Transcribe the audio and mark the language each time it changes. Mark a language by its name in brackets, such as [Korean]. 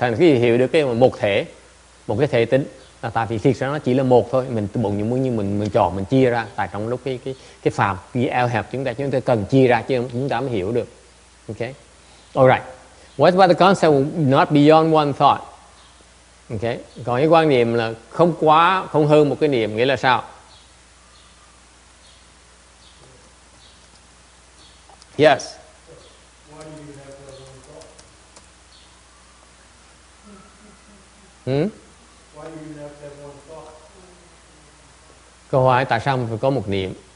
[Vietnamese] Thành khi hiểu được cái một cái thể tính là tại vì thiệt ra nó chỉ là một thôi. Mình bụng như muốn như mình chọn mình chia ra. Tại trong lúc cái phàm cái eo hẹp chúng ta cần chia ra chứ chúng ta mới hiểu được. [English] Okay. All right. What about the concept not beyond one thought? Okay. [Vietnamese] Còn cái quan niệm là không quá không hơn một cái niệm nghĩa là sao? [English] Yes. Why do you have to have one thought? Why do you have to have one thought? [Vietnamese] Câu hỏi tại sao phải có một niệm?